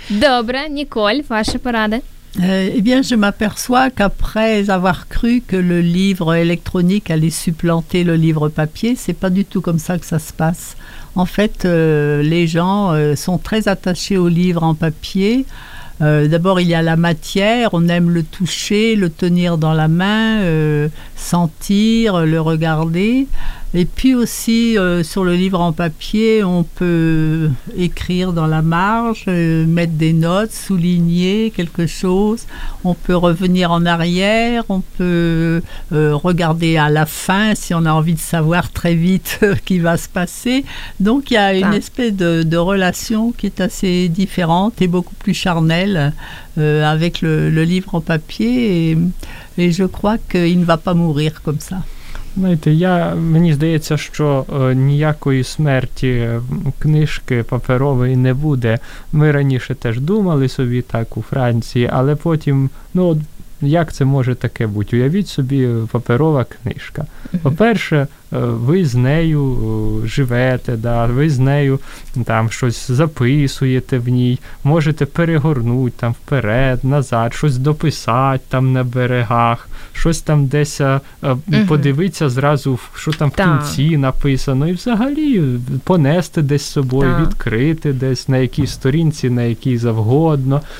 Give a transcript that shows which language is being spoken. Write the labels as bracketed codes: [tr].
[ru] Добро, Николь, ваши порады. [fr] Je m'aperçois qu'après avoir cru que le livre électronique allait supplanter le livre papier, c'est pas du tout comme ça que ça se passe. En fait, les gens sont très attachés aux livres en papier. D'abord, il y a la matière, on aime le toucher, le tenir dans la main, sentir, le regarder. Et puis aussi, sur le livre en papier, on peut écrire dans la marge, mettre des notes, souligner quelque chose. On peut revenir en arrière, on peut regarder à la fin si on a envie de savoir très vite ce qui va se passer. Donc, il y a une espèce de relation qui est assez différente et beaucoup plus charnelle avec le livre en papier. Et je crois qu'il ne va pas mourir comme ça. [uk] Знаєте, мені здається, що ніякої смерті книжки паперової не буде. Ми раніше теж думали собі так у Франції, але потім, ну, як це може таке бути? Уявіть собі паперова книжка. По-перше, ви з нею живете, да, ви з нею там щось записуєте в ній, можете перегорнути там вперед, назад, щось дописати там на берегах, щось там десь подивитися зразу, що там в кінці написано, і взагалі понести десь з собою, відкрити десь на якій сторінці, на якій завгодно.